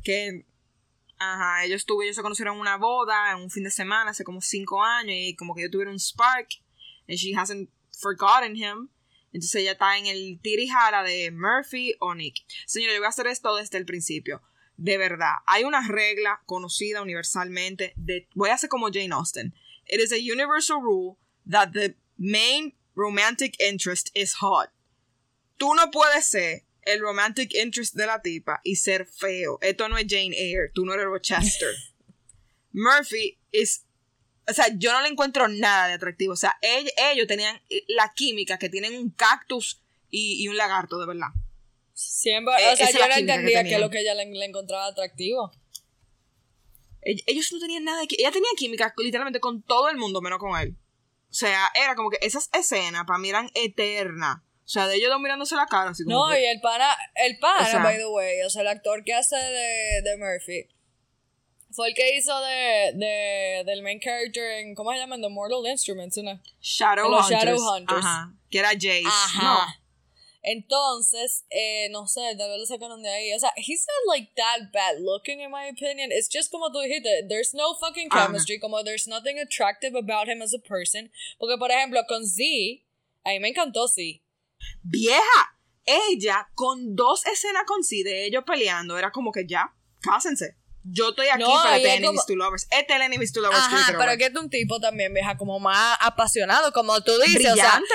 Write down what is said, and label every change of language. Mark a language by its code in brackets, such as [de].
[es] Que, ajá, ellos se conocieron en una boda, en un fin de semana, hace como 5 años, y como que ellos tuvieron un spark, [en] and she hasn't forgotten him. [es] Entonces ella está en el tirijala de Murphy o Nick. Señora, yo voy a hacer esto desde el principio. De verdad, hay una regla conocida universalmente de, voy a hacer como Jane Austen. [en] It is a universal rule that the main romantic interest is hot. [es] Tú no puedes ser el romantic interest de la tipa y ser feo. Esto no es Jane Eyre. Tú no eres Rochester. [en] Murphy is... [es] O sea, yo no le encuentro nada de atractivo. O sea, ellos tenían la química que tienen un cactus y un lagarto, de verdad. Siempre. O sea, yo no entendía que lo que ella le encontraba atractivo. Ellos no tenían nada de química. Ella tenía química literalmente con todo el mundo, menos con él. O sea, era como que esas escenas para mí eran eternas. O sea, de ellos dos mirándose la cara. Así como no, que... y el pana, o sea, [en] by the way, [es] o sea, el actor que hace de Murphy, fue el que hizo del [en] main character [es] en, ¿cómo se llama? The Mortal Instruments, ¿no? Shadowhunters. Shadowhunters. Ajá, que era Jace. Ajá. No. Entonces, no sé, tal vez lo sacaron de ahí. O sea, [en] he's not like that bad looking, in my opinion. It's just [es] como tú dijiste, [en] there's no fucking chemistry, ajá. [es] Como [en] there's nothing attractive about him as a person. [es] Porque, por ejemplo, con Z, a mí me encantó Z. ¡Vieja! Ella, con 2 escenas con sí de ellos peleando, era como que ya, cásense. Yo estoy aquí para The Enemies como... to Lovers. Este es The Enemies to Lovers. Ajá, pero que es un tipo también, vieja, como más apasionado, como tú dices. ¡Brillante!